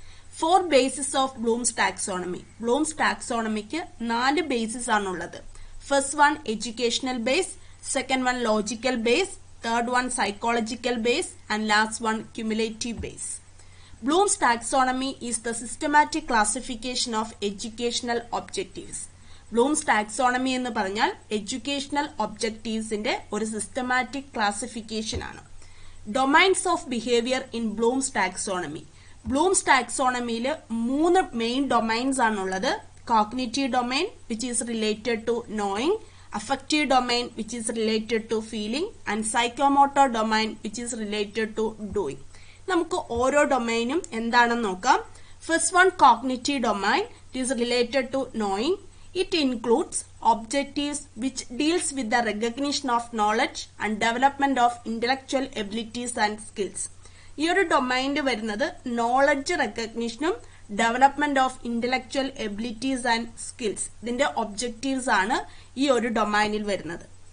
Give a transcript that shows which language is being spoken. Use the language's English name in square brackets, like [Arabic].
[English] Four bases of Bloom's taxonomy. Bloom's taxonomy is four bases. First one, educational base. Second one, logical base. Third one, psychological base. And last one, cumulative base. Bloom's taxonomy is the systematic classification of educational objectives. [Malayalam] Bloom's taxonomy എന്ന് പറഞ്ഞാൽ educational ഒബ്ജക്റ്റീവ്സിന്റെ ഒരു systematic classification ആണ്. [English] Domains of behaviour in Bloom's taxonomy. [Malayalam] Bloom's ടാക്സോണമിയിൽ മൂന്ന് main domains ആണുള്ളത്. [English] Cognitive domain, which is related to knowing, affective domain, which is related to feeling, and psychomotor domain, which is related to doing. [Malayalam] നമുക്ക് ഓരോ ഡൊമൈനും എന്താണെന്ന് നോക്കാം. First one, cognitive domain, [English] It is related to knowing. It includes objectives which deals with the recognition of knowledge and development of intellectual abilities and skills. Here domain [Malayalam] varunathu [English] knowledge recognition development of intellectual abilities and skills. [Malayalam] Indinte objectives aanu ee oru domainil varunathu.